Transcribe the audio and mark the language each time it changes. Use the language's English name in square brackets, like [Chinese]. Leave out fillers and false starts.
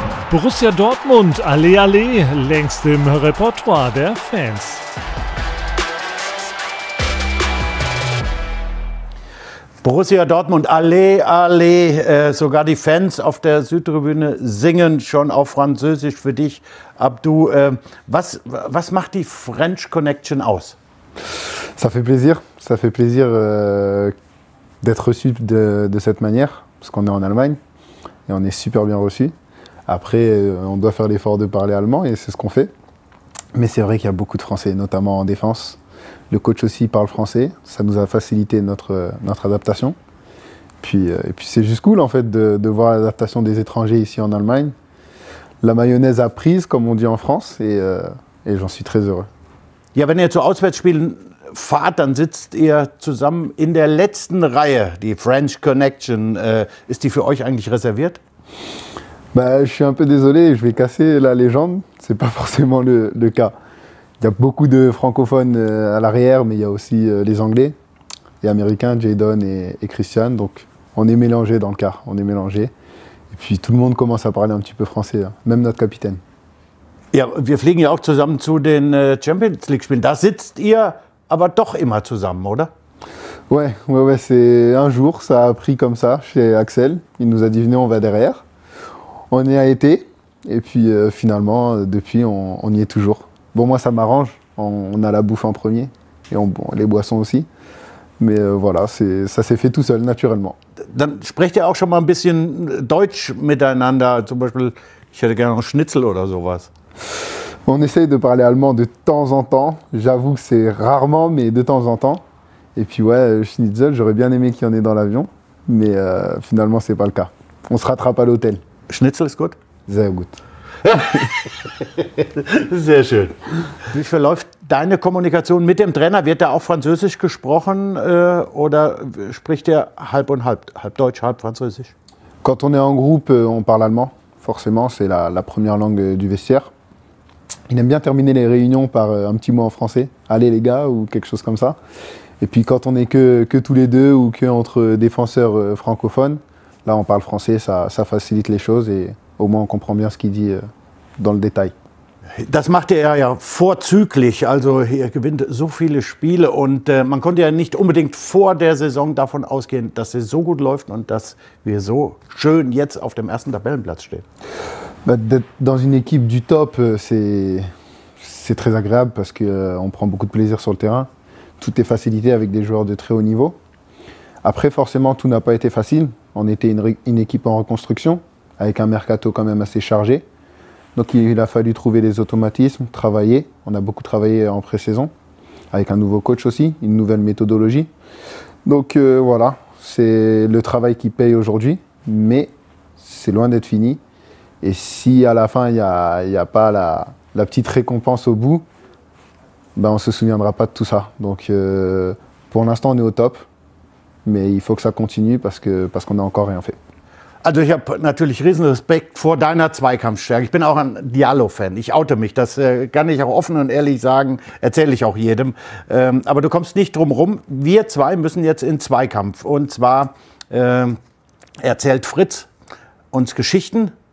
[German] Borussia Dortmund, allé allé, längst im Repertoire der Fans. Borussia Dortmund, allé, allé, sogar die Fans auf der Südtribüne singen schon auf Französisch für dich, Abdou. Was macht die French Connection aus? [French] Ça fait plaisir d'être reçu de cette manière, parce qu'on est en Allemagne et on est super bien reçu. Après, on doit faire l'effort de parler allemand et c'est ce qu'on fait. Mais c'est vrai qu'il y a beaucoup de Français, notamment en défense. Le coach aussi parle français, ça nous a facilité notre adaptation. Puis c'est juste cool en fait de voir l'adaptation des étrangers ici en Allemagne. La mayonnaise a prise, comme on dit en France, et j'en suis très heureux. [German] Ja, wenn ihr zu Auswärtsspielen fahrt, dann sitzt ihr zusammen in der letzten Reihe, die French Connection. Ist die für euch eigentlich reserviert? [French] Bah, je suis un peu désolé, je vais casser la légende, c'est pas forcément le cas. Il y a beaucoup de francophones à l'arrière, mais il y a aussi les Anglais, les Américains, Jadon et Christian. Donc on est mélangés dans le quart, on est mélangés. Et puis tout le monde commence à parler un petit peu français, même notre capitaine. [German] Ja, wir fliegen ja auch zusammen zu den Champions League-Spielen. Da sitzt ihr aber doch immer zusammen, oder? [French] Ouais, c'est un jour, ça a pris comme ça chez Axel. Il nous a dit, venez, on va derrière. On y a été, et puis finalement, depuis, on y est toujours. Bon, moi, ça m'arrange. On a la bouffe en premier et les boissons aussi. Mais voilà, ça s'est fait tout seul, naturellement. [German] Dann sprecht ihr auch schon mal ein bisschen Deutsch miteinander. Zum Beispiel, ich hätte gerne einen Schnitzel oder sowas. [French] On essaye de parler allemand de temps en temps. J'avoue que c'est rarement, mais de temps en temps. Et puis ouais, Schnitzel, j'aurais bien aimé qu'il y en ait dans l'avion, mais finalement c'est pas le cas. On se rattrape à l'hôtel. [German] Schnitzel ist gut? Sehr gut. Sehr schön. Wie verläuft deine Kommunikation mit dem Trainer? Wird da auch Französisch gesprochen oder spricht er halb und halb, halb Deutsch, halb Französisch? [French] Quand on est en groupe, on parle allemand. Forcément, c'est la première langue du vestiaire. Il aime bien terminer les réunions par un petit mot en français. Allez les gars, ou quelque chose comme ça. Et puis quand on est que tous les deux ou que entre défenseurs francophones, là on parle français, ça facilite les choses et au moins on comprend bien ce qu'il dit dans le détail. [German] Das machte er ja vorzüglich, also er gewinnt so viele Spiele und man konnte ja nicht unbedingt vor der Saison davon ausgehen, dass es so gut läuft und dass wir so schön jetzt auf dem ersten Tabellenplatz stehen. [French] Dans une équipe du top, c'est très agréable parce que on prend beaucoup de plaisir sur le terrain. Tout est facilité avec des joueurs de très haut niveau. Après, forcément, tout n'a pas été facile. On était une équipe en reconstruction, avec un mercato quand même assez chargé. Donc il a fallu trouver des automatismes, travailler. On a beaucoup travaillé en pré-saison, avec un nouveau coach aussi, une nouvelle méthodologie. Donc voilà, c'est le travail qui paye aujourd'hui, mais c'est loin d'être fini. Et si à la fin, il n'y a pas la petite récompense au bout, ben, on ne se souviendra pas de tout ça. Donc pour l'instant, on est au top. Mais il faut que ça continue parce qu'on n'a encore rien fait. [German] Also ich habe natürlich riesen Respekt vor deiner Zweikampfstärke. Ich bin auch ein Diallo-Fan. Ich oute mich. Das kann ich auch offen und ehrlich sagen. Erzähle ich auch jedem. Aber du kommst nicht drum rum. Wir zwei müssen jetzt in Zweikampf. Und zwar erzählt Fritz uns Geschichten.